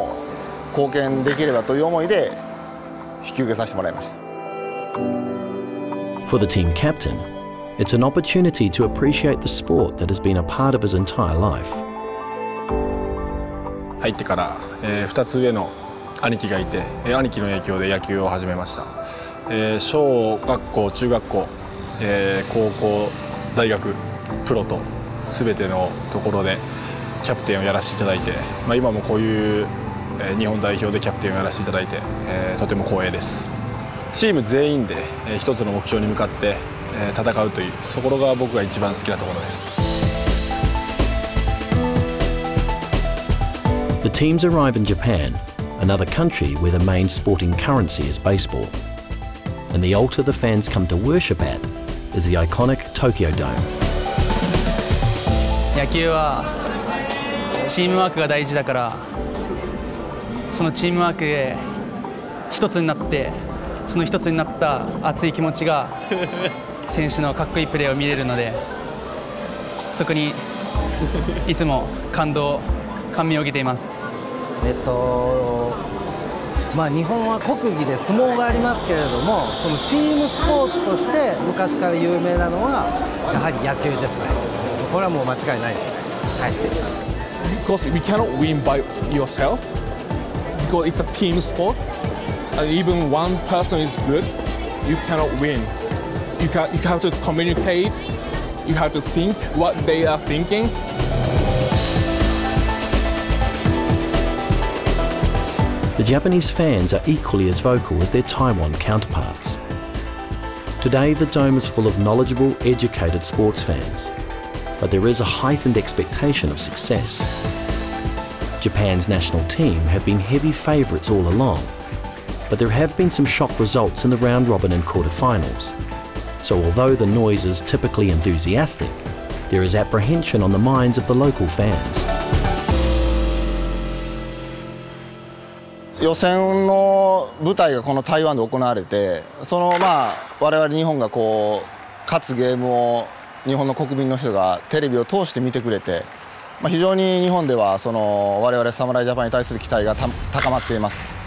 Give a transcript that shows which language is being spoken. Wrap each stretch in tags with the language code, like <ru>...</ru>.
<ja>2012年に現役を退いて引退した後に、まあ次の年の10月にこのお話をいただいて、でまあ正直指導者の経験がない中で引き受けるには相当迷いましたけども、最終的には日本のプロ野球界に少しでも貢献できればという思いで。</ja> <en>For the team captain, it's an opportunity to appreciate the sport that has been a part of his entire life.</en> <ja>入ってから2つ上の兄貴がいて、兄貴の影響で野球を始めました。小学校、中学校、高校、大学、プロと全てのところでキャプテンをやらせていただいて、まあ、今もこういう日本代表でキャプテンをやらせていただいて、とても光栄です。チーム全員で一つの目標に向かって戦うというところが僕が一番好きなところです。</ja> <en>The teams arrive in Japan, another country where the main sporting currency is baseball. And the altar the fans come to worship at is the iconic Tokyo Dome.</en> <ja>野球はチームワークが大事だから、そのチームワークで一つになって、その一つになった熱い気持ちが選手のかっこいいプレーを見れるので、そこにいつも感動、感銘を受けています。まあ、日本は国技で相撲がありますけれども、そのチームスポーツとして昔から有名なのはやはり野球ですね。これはもう間違いないですね、はい、</ja> <en>Because we cannot win by yourself because it's a team sport and even one person is good you cannot win you have to communicate you have to think what they are thinking. The Japanese fans are equally as vocal as their Taiwan counterparts. Today, the Dome is full of knowledgeable, educated sports fans, but there is a heightened expectation of success. Japan's national team have been heavy favourites all along, but there have been some shock results in the round robin and quarterfinals. So although the noise is typically enthusiastic, there is apprehension on the minds of the local fans.</en> <ja>予選の舞台がこの台湾で行われて、そのまあ我々日本がこう勝つゲームを日本の国民の人がテレビを通して見てくれて、まあ非常に日本ではその我々侍ジャパンに対する期待が高まっています。</ja>